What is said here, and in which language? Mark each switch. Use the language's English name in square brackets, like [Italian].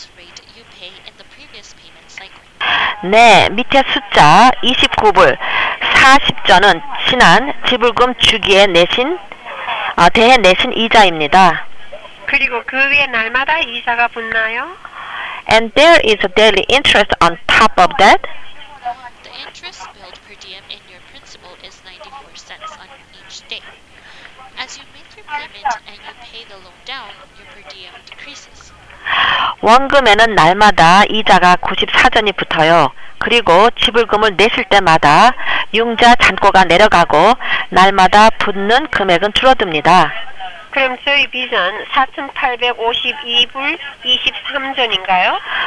[English] The interest rate you pay in the previous payment cycle. [Korean] 네, 밑에 숫자 29불 40전은 지난 지불금 주기에 내신 대해 내신 이자입니다. 그리고 그 위에 날마다 이자가 붙나요? [English] And there is a daily interest on top of that. The interest billed per diem in your principal is 94 cents on each day. As you make your payment and you pay the loan down, your per diem decreases. [Korean] 원금에는 날마다 이자가 94전이 붙어요. 그리고 지불금을 내실 때마다 융자 잔고가 내려가고 날마다 붙는 금액은 줄어듭니다. 그럼 저희 빚은 4,852불 23전인가요?